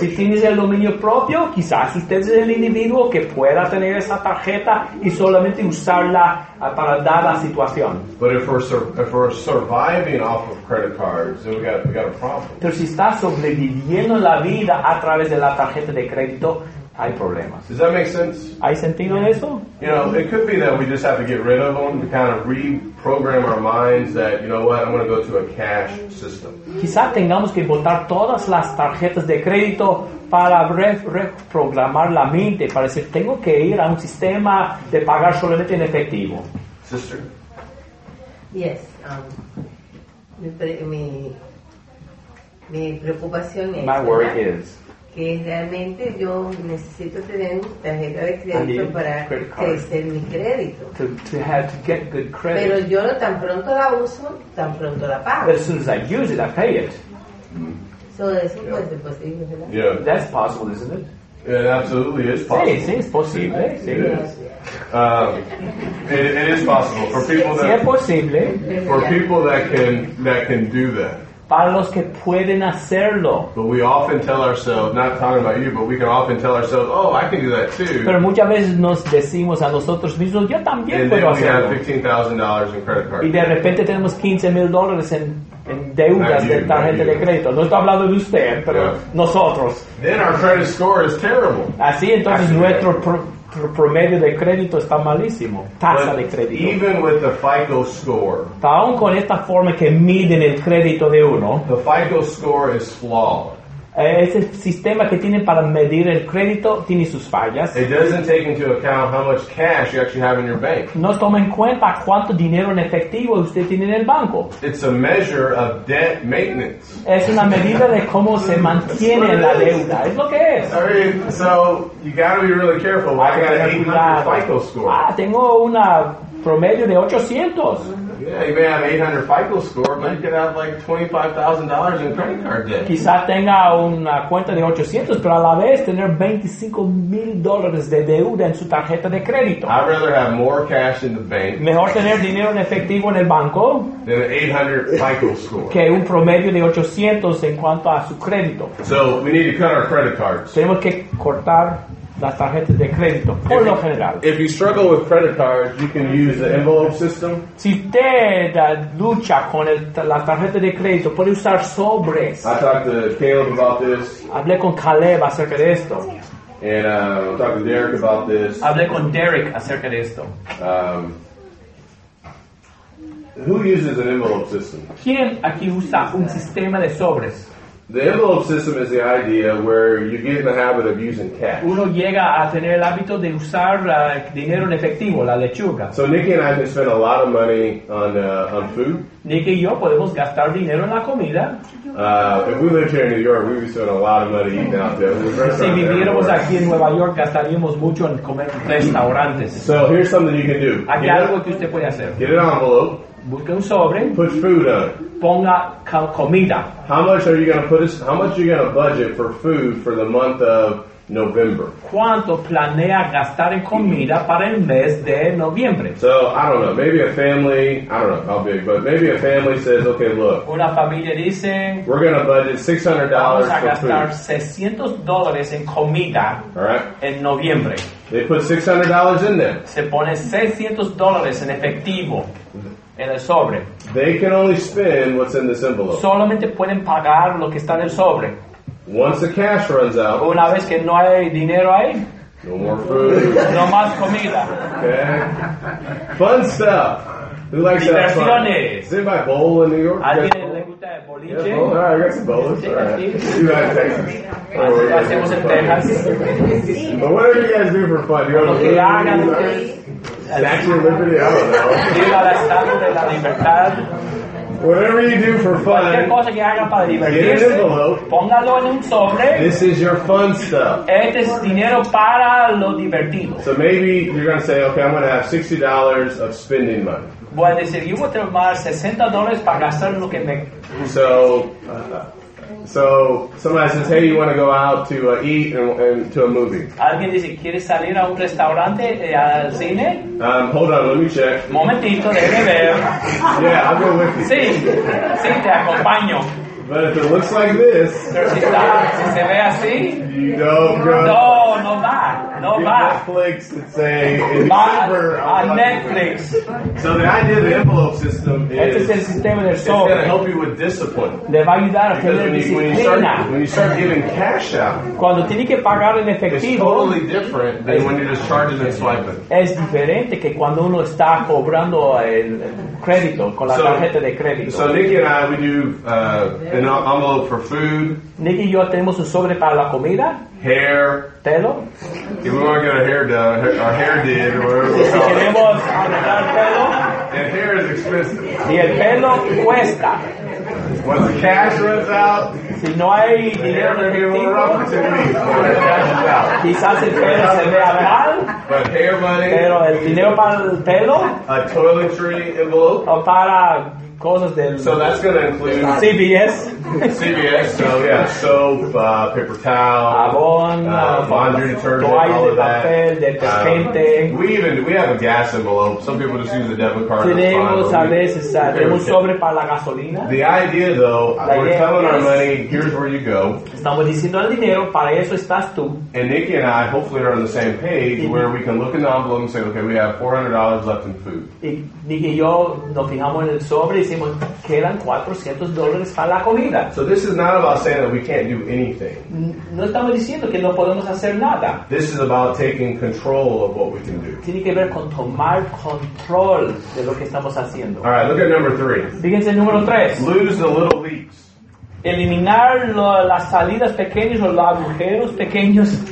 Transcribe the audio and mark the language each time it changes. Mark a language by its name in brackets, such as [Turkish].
[Spanish] Si tienes el dominio propio, quizás usted es el individuo que pueda tener esa tarjeta y solamente usarla para dar la situación. [English] But if we're surviving off of credit cards, then we got a problem. [Spanish] Pero si está sobreviviendo la vida a través de la tarjeta de crédito, hay problemas. [English] Does that make sense? [Spanish] ¿Hay sentido en eso? [English] You know, it could be that we just have to get rid of them, to kind of reprogram our minds that, you know what, I'm going to go to a cash system. [Spanish] Quizá tengamos que botar todas las tarjetas de crédito para reprogramar la mente, para decir, tengo que ir a un sistema de pagar solamente en efectivo. [English] Sister? Yes. [Spanish] Mi preocupación es... [English] My worry is... [Spanish] que realmente yo necesito tener tarjeta de crédito para crecer mi crédito. [English] To get good credit. [Spanish] Pero yo no tan pronto la uso, tan pronto la pago. [English] But as soon as I use it, I pay it. [Spanish] So eso yeah. Puede ser posible, ¿verdad? [English] Yeah. That's possible, isn't it? It absolutely is possible. [Spanish] Sí, sí, es posible. [English] Sí. It is possible for people that... [Spanish] Sí, es posible. [English] For people that can do that. [Spanish] Para los que pueden hacerlo. [English] But we often tell ourselves, not talking about you, but we can often tell ourselves, oh, I can do that too. [Spanish] Pero muchas veces nos decimos a nosotros mismos, yo también [English] and And we have $15,000 in credit cards. [Spanish] Y de repente tenemos $15,000 en deudas [English] you, [Spanish] de tarjeta de crédito. No estoy hablando de usted, pero yeah. Nosotros. [English] Then our credit score is terrible. [Spanish] Así entonces nuestro promedio de crédito está malísimo. Tasa de crédito. [English] Even with the FICO score. [Spanish] Aún con esta forma que miden el crédito de uno. [English] The FICO score is flawed. [Spanish] Ese sistema que tienen para medir el crédito tiene sus fallas. [English] It doesn't take into account how much cash you actually have in your bank. [Spanish] No toma en cuenta cuánto dinero en efectivo usted tiene en el banco. [English] It's a measure of debt maintenance. [Spanish] Es una medida de cómo se mantiene la deuda. Es lo que es. [English] All right, so you got to be really careful. I got an 800 FICO score. [Spanish] Tengo una promedio de 800. Mm-hmm. [English] Yeah, you may have 800 FICO score, but you could have like $25,000 in credit card debt. [Spanish] Quizás tenga una cuenta de 800, pero a la vez tener $25,000 de deuda en su tarjeta de crédito. [English] I'd rather have more cash in the bank. [Spanish] Mejor tener dinero en efectivo en el banco. [English] Than an 800 FICO score. [Spanish] Que un promedio de 800 en cuanto a su crédito. [English] So we need to cut our credit cards. [Spanish] Tenemos que cortar las tarjetas de crédito, por lo general. [English] If you struggle with credit cards, you can use the envelope system. [Spanish] Si usted lucha con la tarjeta de crédito, puede usar sobres. [English] I talked to Caleb about this. [Spanish] Hablé con Caleb acerca de esto. [English] And I talked to Derek about this. [Spanish] Hablé con Derek acerca de esto. [English] Who uses an envelope system? [Spanish] ¿Quién aquí usa un sistema de sobres? [English] The envelope system is the idea where you get in the habit of using cash. [Spanish] Uno llega a tener el hábito de usar dinero en efectivo, la lechuga. [English] So Nikki and I can spend a lot of money on food. [Spanish] Nikki y yo podemos gastar dinero en la comida. [English] If we lived here in New York, we would spend a lot of money eating out there. [Spanish] Si viviéramos aquí en Nueva York, gastaríamos mucho en comer en restaurantes. [English] So here's something you can do. [Spanish] Aquí hay algo que usted puede hacer. [English] Get an envelope. [Spanish] Busca un sobre. [English] Put food on. [Spanish] Ponga comida. [English] How much are you going to put? How much are you going to budget for food for the month of November? [Spanish] ¿Cuánto planea gastar en comida para el mes de noviembre? [English] So I don't know. Maybe a family. I don't know how big, but maybe a family says, "Okay, look." [Spanish] Una familia dice. [English] We're going to budget $600 for food. [Spanish] Vamos a gastar $600 en comida. [English] All right. [Spanish] En noviembre. [English] They put $600 in there. [Spanish] Se pone $600 en efectivo. En el sobre. [English] They can only spend what's in this envelope. [Spanish] Solamente pueden pagar lo que está en el sobre. [English] Once the cash runs out. [Spanish] Una vez que no hay dinero ahí. [English] No more food. [Spanish] No más comida. [English] Okay. Fun stuff. Who likes that? [Spanish] Diversiones. [English] Does anybody bowl in New York? [Spanish] ¿Alguien le gusta el boliche? [English] Yeah, all right, I got some bowlers. All right. You guys take it. But whatever you guys do for fun, you know, the Statue of Liberty, I don't know. Whatever you do for fun, get an envelope. [Spanish] Póngalo en un sobre. [English] This is your fun stuff. [Spanish] Este es dinero para lo divertido. [English] So maybe you're going to say, okay, I'm going to have $60 of spending money. [Spanish] Voy a decir, yo voy a tomar $60 para gastar lo que me. [English] So. So somebody says, "Hey, you want to go out to eat and to a movie?" [Spanish] Alguien dice, ¿quieres salir a un restaurante al cine? [English] Hold on, let me check. [Spanish] Momentito, déjeme ver. [English] Yeah, I'll go with you. [Spanish] Sí, sí, te acompaño. [English] But if it looks like this, [Spanish] pero si está, si se ve así, [English] you don't go. [Spanish] No, no va, no va. [English] Netflix and say in va December on Netflix. So the idea of the envelope system is [Spanish] este es el sistema del sol. [English] It's going to help you with discipline. [Spanish] Le va a ayudar a tener disciplina. [English] When you start giving cash out, [Spanish] cuando tiene que pagar en efectivo, [English] it's totally different than when you're just charging and swiping. [Spanish] Es diferente que cuando uno está cobrando el crédito con la tarjeta de crédito. [English] So Nikki and I, we do. An envelope for food. [Spanish] Nicky y yo tenemos un sobre para la comida. [English] Hair. [Spanish] Pelo. [English] If we want to get our hair done, our hair did, or whatever. [Spanish] Si queremos arreglar pelo. [English] And hair is expensive. [Spanish] Y el pelo cuesta. [English] Once the cash runs out. [Spanish] Si no hay dinero efectivo. Quizás el pelo se vea mal. [English] But hair money. [Spanish] Pero el dinero para el pelo. [English] A toiletry envelope. [Spanish] O para cosas del. [English] So that's going to include CVS. CVS, so yeah, soap, paper towel, [Spanish] jabón, [English] laundry detergent, [Spanish] toalla [English] all of [Spanish] de [English] that. We have a gas envelope. Some people just use a debit card. [Spanish] Tenemos a veces, tenemos sobre para la gasolina. [English] The idea though, we're telling our money, here's where you go. [Spanish] Estamos diciendo el dinero, para eso estás tú. [English] And Nikki and I hopefully are on the same page where we can look in the envelope and say, okay, we have $400 left in food. [Spanish] Nikki y yo nos fijamos en el sobre. Decimos, quedan $400 para la comida. [English] So this is not about saying that we can't do anything. [Spanish] No estamos diciendo que no podemos hacer nada. [English] This is about taking control of what we can do. [Spanish] Tiene que ver con tomar control de lo que estamos haciendo. [English] All right, look at number three. [Spanish] Fíjense el número tres. [English] Lose the little leaks. [Spanish] Eliminar las salidas pequeñas o los agujeros pequeños.